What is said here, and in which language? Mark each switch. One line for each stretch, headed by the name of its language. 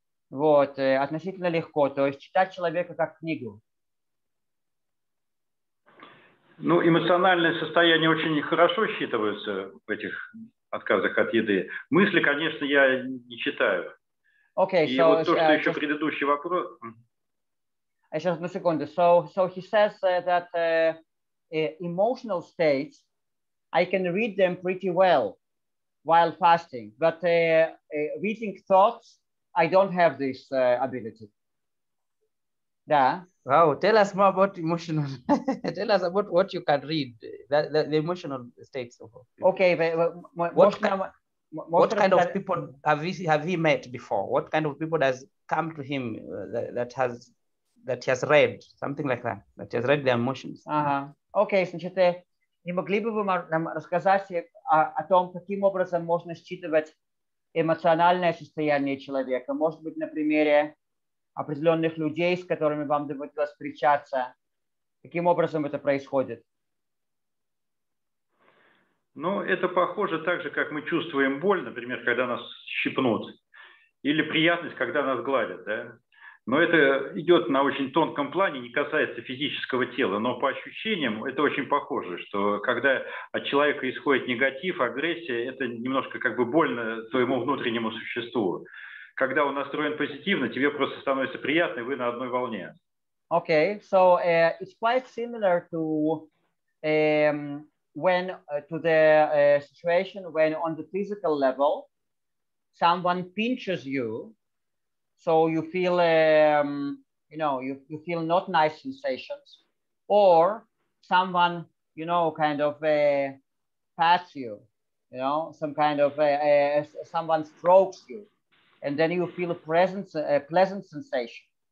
Russian: Вот, относительно легко, то есть читать человека как книгу. Ну, эмоциональное состояние очень хорошо считывается в этих отказах от еды. Мысли, конечно, я не читаю.
English: Okay,
Russian: и so, вот то, что еще just... предыдущий вопрос... Сейчас, на секунду.
English: So he says that emotional states, I can read them pretty well while fasting, but reading thoughts... I don't have this ability. Да. Wow, tell us more about emotional. Tell us about what you can read, the emotional states of. Okay, but what kind of people have he met before? What kind of people has come to him that he has read something like that? That he has read their emotions. Uh-huh.
Russian: Okay, значит, не могли бы вы нам рассказать о том, каким образом можно считывать эмоциональное состояние человека, может быть, на примере определенных людей, с которыми вам доводилось встречаться, каким образом это происходит? Ну, это похоже так же, как мы чувствуем боль, например, когда нас щипнут, или приятность, когда нас гладят, да? Но это идет на очень тонком плане, не касается физического тела, но по ощущениям это очень похоже, что когда от человека исходит негатив, агрессия, это немножко как бы больно твоему внутреннему существу. Когда он настроен позитивно, тебе просто становится приятно, и вы на одной волне.
English: Okay, so it's quite similar to when to the situation when on the physical level someone pinches you. So you feel, you feel not nice sensations, or someone, you know, kind of pats you, you know, some kind of someone strokes you, and then you feel a pleasant sensation.